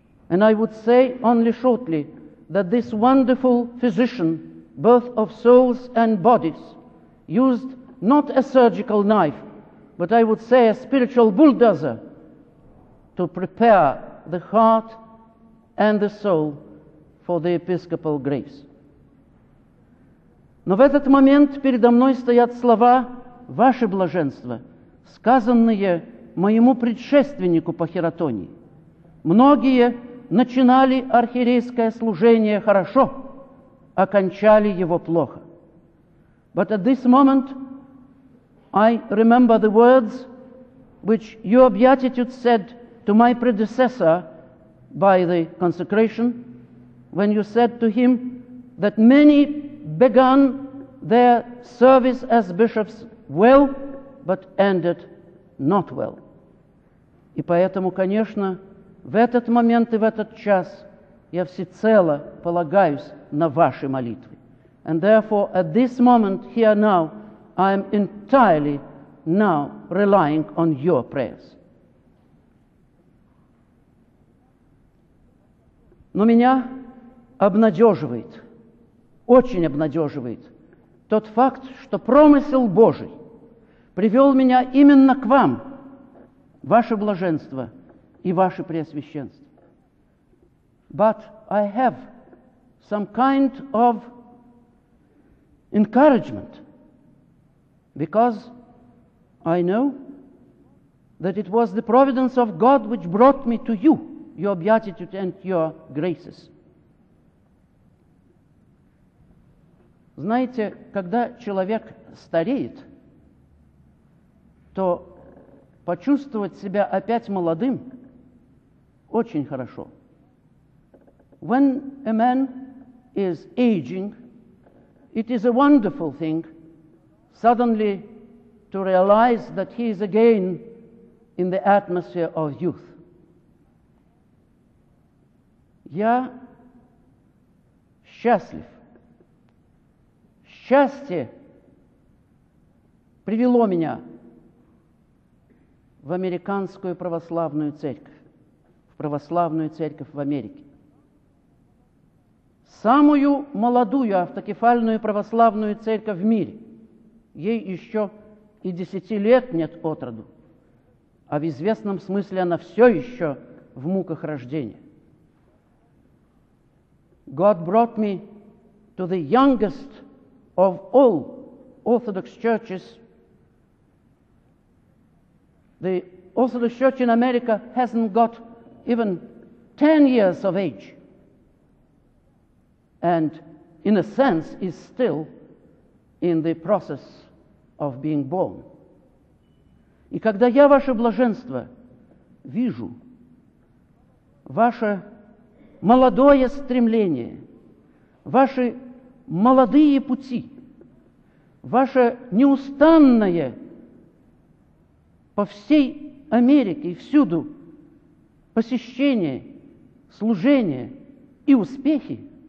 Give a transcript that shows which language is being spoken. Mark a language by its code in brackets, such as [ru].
[en] And I would say only shortly that this wonderful physician, both of souls and bodies, used not a surgical knife, but I would say a spiritual bulldozer to prepare the heart and the soul for the episcopal graves. [ru] Но в этот момент передо мной стоят слова «Ваше блаженство», сказанные моему предшественнику по хиротонии. Многие начинали архиерейское служение хорошо, окончали его плохо. [en] But at this moment, I remember the words which your beatitude said to my predecessor by the consecration, when you said to him that many began their service as bishops well, but ended not well. [ru] И поэтому, конечно, в этот момент и в этот час я всецело полагаюсь на ваши молитвы. [en] And therefore, at this moment, here now, I am entirely now relying on your prayers. [ru] Но меня обнадеживает, очень обнадеживает тот факт, что промысел Божий привел меня именно к вам, ваше блаженство и ваше преосвященство. [en] But I have some kind of encouragement, because I know that it was the providence of God which brought me to you, your beatitude and your graces. [ru] Знаете, когда человек стареет, то почувствовать себя опять молодым очень хорошо. [en] When a man is aging, it is a wonderful thing suddenly to realize that he is again in the atmosphere of youth. [ru] Я счастлив. Счастье привело меня в американскую православную церковь, в православную церковь в Америке. Самую молодую автокефальную православную церковь в мире. Ей еще и 10 лет нет от роду, а в известном смысле она все еще в муках рождения. [en] God brought me to the youngest of all Orthodox churches. The Orthodox Church in America hasn't got even 10 years of age, and in a sense is still in the process of being born. [ru] И когда я, ваше блаженство, вижу ваше молодое стремление, ваши молодые пути, ваше неустанное по всей Америке и всюду посещение, служение и успехи,